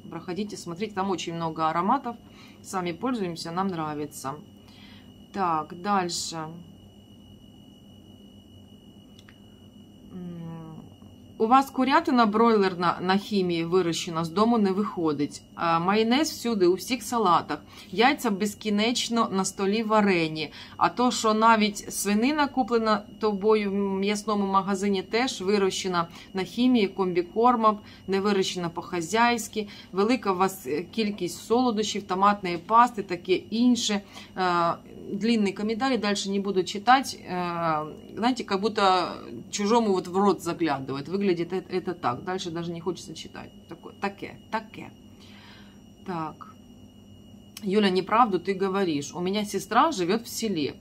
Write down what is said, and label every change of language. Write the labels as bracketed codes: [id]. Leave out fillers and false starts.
[ru] Проходите, смотрите, там очень много ароматов. Сами пользуемся, нам нравится. Так, дальше. У вас курятина бройлерна на химии выращена, с дому не выходить. [uk] А майонез всюди, у всіх салатах. Яйця безкінечно на столі варені. А то, що навіть свинина куплена тобою в м'ясному магазині, теж вирощена на хімії, комбікормом, не вирощена по-хазяйськи. Велика у вас кількість солодощів, томатної пасти, таке інше. [ru] Длинний комментарий, дальше не буду [uk] читати. Знаєте, як [ru] будто чужому вот в рот заглядывает. Выглядит это так. Дальше даже не хочется читать. [uk] Таке. [ru] Так. Юля, неправду ты говоришь. У меня сестра живет в селе.